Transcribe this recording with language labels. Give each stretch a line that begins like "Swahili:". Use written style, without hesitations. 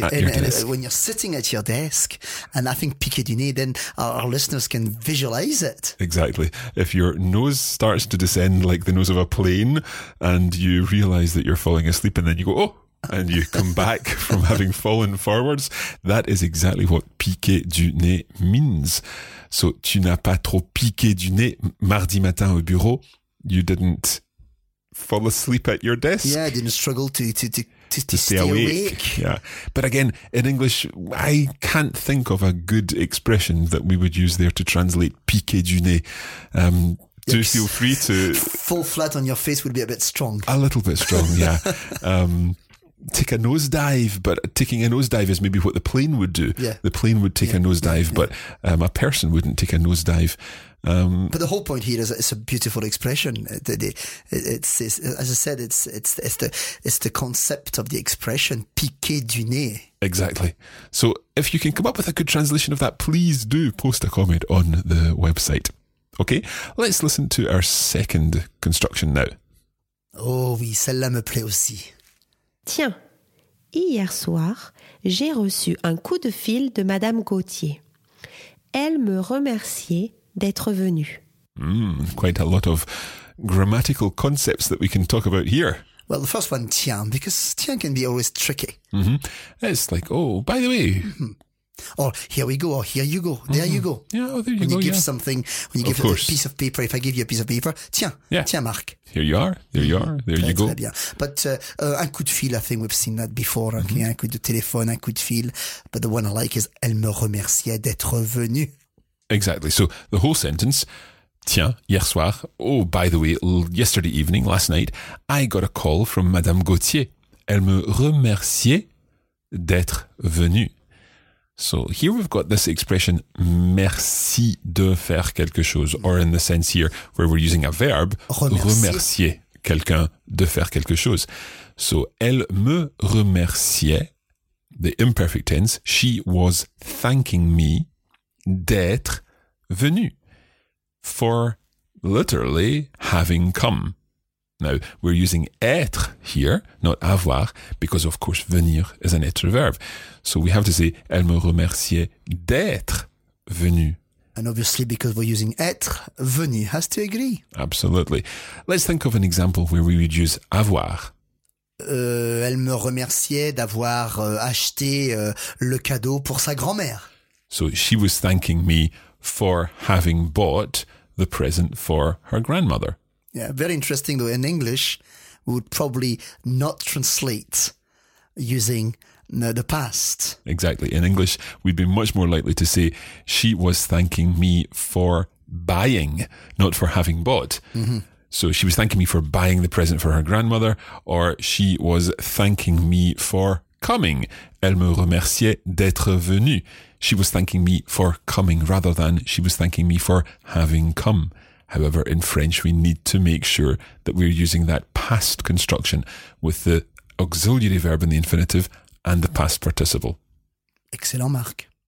English: When you're sitting at your desk, and I think
French: piquer du nez,
English: then our listeners can visualize it. Exactly. If your nose starts to descend like the nose of a plane, and you realize that you're falling asleep, and then you go, oh, and you come back from having fallen forwards, that is exactly what
French: piquer du nez
English: means.
French: So, tu n'as pas trop piqué du nez mardi matin au bureau.
English: You didn't fall asleep at your desk. Yeah, I didn't struggle to stay awake. Yeah. But again, in English, I can't think of a good expression that we would use there to translate
French: piqué du nez.
English: Yikes. Do feel free to... Fall flat on your face would be a bit strong. A little bit strong, yeah. Take a nosedive, but taking a nosedive is maybe what the plane would do. Yeah. The plane would take a nosedive, but a person wouldn't take a nosedive. But the whole point here is it's a beautiful expression. It's, as I said, the concept of the expression,
French: piquer du nez.
English: Exactly. So if you can come up with a good translation of that, please do post a comment on the website. Okay, let's listen to our second construction now.
French: Oh oui, celle-là me plaît aussi. Tiens, hier soir, j'ai reçu un coup de fil de Madame Gauthier. Elle me remerciait d'être venue.
English: Quite a lot of grammatical concepts that we can talk about here. Well, the first one, tiens, because tiens can be always tricky. Mm-hmm. It's like, oh, by the way. Mm-hmm. Or here we go, or here you go, mm-hmm. there you go. Yeah, oh, there you when go, you give yeah. something, when you give a piece of paper, if I give you a piece of paper, tiens, yeah.
French: tiens, Marc.
English: Here you are, there you are, there you go.
French: Très bien.
English: But
French: un coup de fil,
English: I think we've seen that before. Mm-hmm.
French: Okay, un coup de téléphone, un coup de fil.
English: But the one I like is,
French: elle me remerciait d'être venue.
English: Exactly. So the whole sentence,
French: tiens, hier soir,
English: oh, by the way, yesterday evening, last night, I got a call from Madame Gauthier.
French: Elle me remerciait d'être venue.
English: So here we've got this expression,
French: merci de faire quelque chose,
English: or in the sense here where we're using a verb,
French: remercier quelqu'un de faire quelque chose.
English: So
French: elle me remerciait,
English: the imperfect tense, she was thanking me
French: d'être venue.
English: For literally having come. Now, we're using être here, not avoir, because of course venir is an être verb. So we have to say,
French: elle me remerciait d'être venue.
English: And obviously because we're using être, venue has to agree. Absolutely. Let's think of an example where we would use avoir.
French: Elle me remerciait d'avoir acheté le cadeau pour sa grand-mère.
English: So she was thanking me for having bought the present for her grandmother. Yeah, very interesting though. In English, we would probably not translate using the past. Exactly. In English, we'd be much more likely to say, she was thanking me for buying, not for having bought. Mm-hmm. So she was thanking me for buying the present for her grandmother, or she was thanking me for coming.
French: Elle me remerciait d'être venue.
English: She was thanking me for coming rather than she was thanking me for having come. However, in French, we need to make sure that we're using that past construction with the auxiliary verb in the infinitive and the past participle. Excellent, Marc.